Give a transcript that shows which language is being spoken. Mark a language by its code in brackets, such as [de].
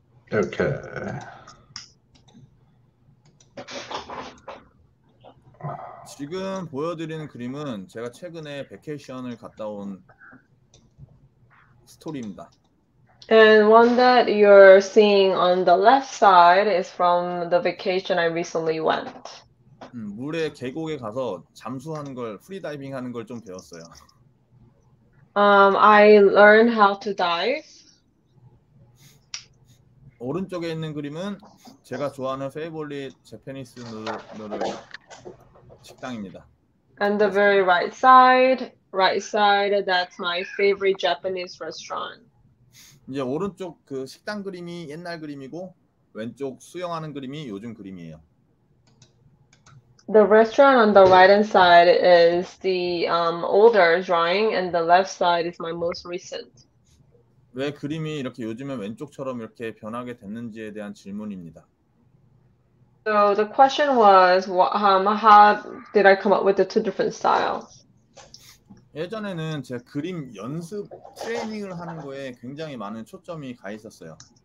[ko] 이렇게 지금 보여드리는 그림은 제가 최근에 베케이션을 갔다 온 스토리입니다. [en] And one that you're seeing on the left side is from the vacation I recently went. [ko] 물에 계곡에 가서 잠수하는 걸 프리다이빙 하는 걸 좀 배웠어요. [en] I learned how to dive. [ko] 오른쪽에 있는 그림은 제가 좋아하는 [en] favorite Japanese noodle [ko] 식당입니다. [en] And the very right side, that's my favorite Japanese restaurant. [ko] 이제 오른쪽 그 식당 그림이 옛날 그림이고 왼쪽 수영하는 그림이 요즘 그림이에요. [en] The restaurant on the right hand side is the older drawing, and the left side is my most recent. [ko] 왜 그림이 이렇게 요즘에 왼쪽처럼 이렇게 변하게 됐는지에 대한 질문입니다. [en] So the question was, how did I come up with the two different styles? [ko] 예전에는 제 그림 연습 트레이닝을 하는 거에 굉장히 많은 초점이 가 있었어요.